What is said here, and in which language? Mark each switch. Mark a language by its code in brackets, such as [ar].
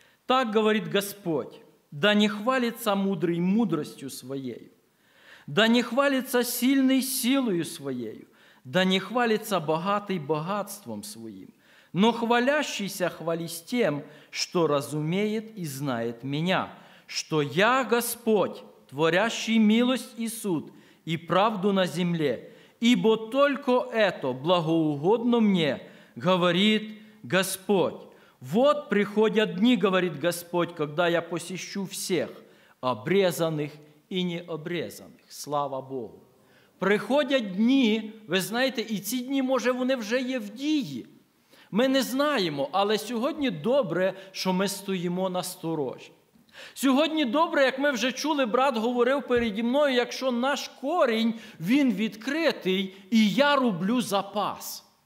[uk] Так говорить Господь, да не хвалиться мудрий мудростю своєю, да не хвалиться сильний силою своєю, да не хвалиться багатий багатством своїм, но хвалящийся хвались тем, що розуміє і знає мене, що я Господь, творящий милость і суд, і правду на землі, ібо тільки це благоугодно мені, говорить Господь. [ru] Вот приходят дни, говорит Господь, когда я посещу всех, обрезанных и необрезанных. Слава Богу. [uk] Приходят дни, ви знаєте, і ці дні, може, вони вже є в дії. Ми не знаємо, але сьогодні добре, що ми стоїмо на сторожі. Сьогодні добре, як ми вже чули, брат говорив переді мною, якщо наш корінь, він відкритий, і я роблю запас.